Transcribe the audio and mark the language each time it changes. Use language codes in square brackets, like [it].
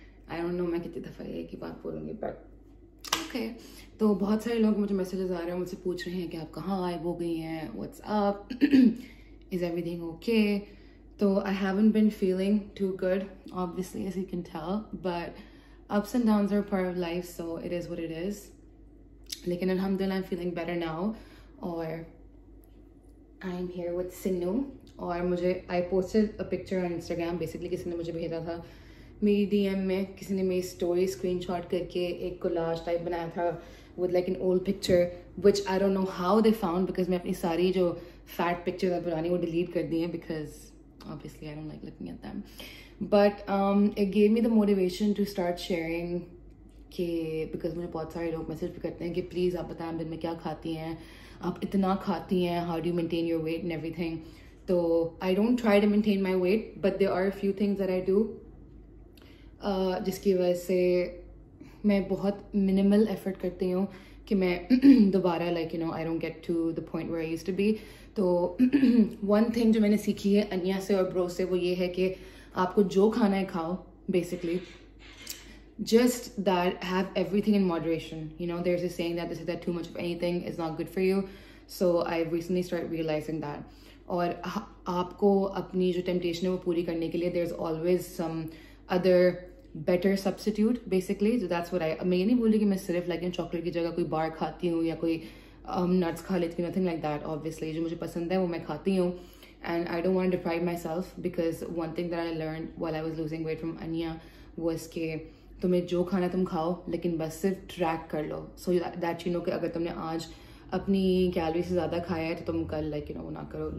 [en] I don't know [hi] मैं कितनी दफा ये की बात बोलूँगी [en] but okay. [hi] तो बहुत सारे लोग मुझे messages आ रहे हैं, मुझसे पूछ रहे हैं कि आप कहाँ गायब हो गई हैं, [en] what's up, is everything okay? [hi] तो [en] I haven't been feeling too good, obviously as you can tell. But ups and downs are part of life, so it is what it is. [hi] लेकिन [en] alhamdulillah I'm feeling better now. Or I'm here with Sinu. [hi] और मुझे [en] I posted a picture on Instagram, [hi] basically किसी ने मुझे भेजा था मेरी DM में, किसी ने मेरी स्टोरी स्क्रीनशॉट करके एक कोलाज टाइप बनाया था [en] with like an old picture which I don't know how they found, [hi] because मैं अपनी सारी जो फैट पिक्चर्स है पुरानी वो डिलीट कर दी हैं [en] Because obviously I don't like looking at them. But it gave me the motivation to start sharing [hi] कि बिकॉज मुझे बहुत सारे लोग मैसेज भी करते हैं कि प्लीज़ आप बताएं दिन में क्या खाती हैं, आप इतना खाती हैं, [en] How do you maintain your weight and everything. So I don't try to maintain my weight, but there are a few things that I do. [hi] जिसकी वजह से मैं बहुत minimal effort करती हूँ कि मैं दोबारा [en] like you know I don't get to the point where I used to be. [hi] तो [en] one thing [hi] जो मैंने सीखी है अन्या से और ब्रो से वो ये है कि आपको जो खाना है खाओ, [en] basically just that have everything in moderation. You know there's a saying that they say that too much of anything is not good for you. So I've recently started realizing that. [hi] और आपको अपनी जो temptation है वो पूरी करने के लिए [en] There is always some other better substitute basically. So that's what I, [hi] मैं ये नहीं बोल रही कि मैं सिर्फ लाइक चॉकलेट की जगह कोई बार खाती हूँ या कोई नट्स खा लेती हूँ, [en] Nothing like that. [hi] ऑब्वियसली जो मुझे पसंद है वो मैं खाती हूँ [en] and I don't want deprive myself, because one thing that I learn while I was losing weight [hi] from Ania was के तुम्हें जो खाना तुम खाओ लेकिन बस सिर्फ ट्रैक कर लो, [en] so that you know [hi] कि अगर तुमने आज अपनी कैलोरी से ज़्यादा खाया है तो तुम कल [en] like you know [hi] वो ना करो.